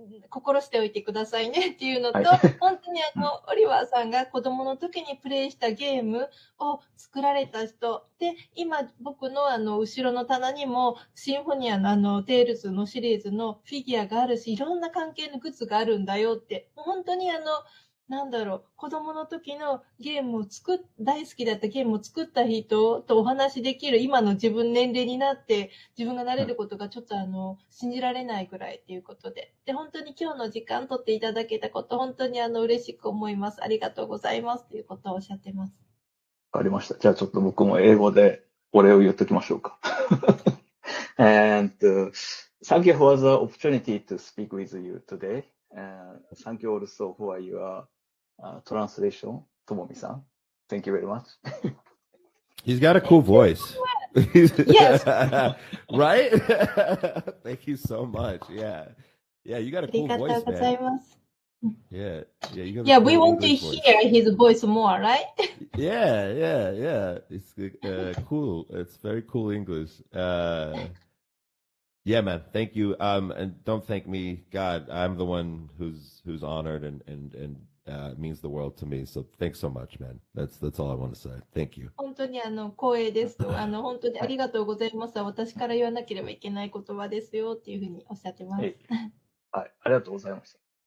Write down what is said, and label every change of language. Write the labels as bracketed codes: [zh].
[ja] 心しておいてくださいねっていうのと、はい、本当にオリバーさんが子供の時にプレイしたゲームを作られた人で、今僕の後ろの棚にもシンフォニアのテイルズのシリーズのフィギュアがあるし、いろんな関係のグッズがあるんだよって、本当に何だろう、子供の時のゲームを大好きだったゲームを作った人とお話しできる今の自分年齢になって自分がなれることがちょっと信じられないぐらいということで。で、本当に今日の時間取っていただけたこと、本当に嬉しく思います。ありがとうございますということをおっしゃってます。わかりました。じゃあちょっと僕も英語でお礼を言っときましょうか。 [en] thank you for the opportunity to speak with you today. Thank you also for your translation, Tomomi-san. Thank you very much. He's got a cool voice. Yes. Right? Thank you so much. Yeah. Yeah, you got a cool voice, man. Yeah, yeah, you yeah, we want to hear his voice more, right? Yeah, yeah, yeah. It's cool. It's very cool English. Yeah, man. Thank you. And don't thank me. God, I'm the one who's honored and means the world to me. So thanks so much, man. That's all I want to say. Thank you. [ja] 本当にあの光栄ですと、あの本当にありがとうございます。私から言わなければいけない言葉ですよっていうふうにおっしゃってます。はい、ありがとうございました。